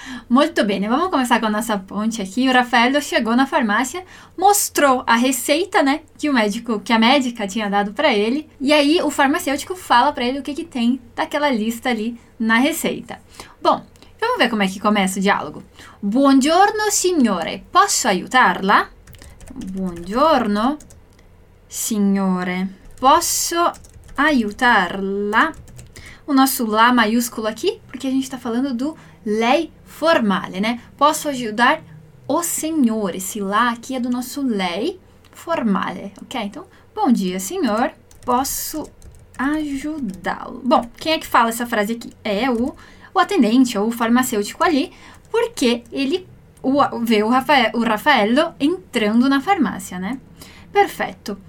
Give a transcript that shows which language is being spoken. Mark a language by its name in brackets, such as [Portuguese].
[Portuguese] Muito bem, vamos começar com a nossa ponte aqui. O Rafaello chegou na farmácia, mostrou a receita, né, que o médico, que a médica tinha dado para ele. E aí o farmacêutico fala para ele o que que tem daquela lista ali na receita. Bom, vamos ver como é que começa o diálogo. [Italian] Buongiorno, signore, posso aiutarla? Buongiorno, signore, posso aiutarla? [Portuguese] O nosso lá maiúsculo aqui, porque a gente está falando do lei formale, né? Posso ajudar o senhor? Esse lá aqui é do nosso lei formale, ok? Então, bom dia, senhor. Posso ajudá-lo? Bom, quem é que fala essa frase aqui? É o atendente ou o farmacêutico ali, porque ele vê o Rafaello entrando na farmácia, né? Perfeito.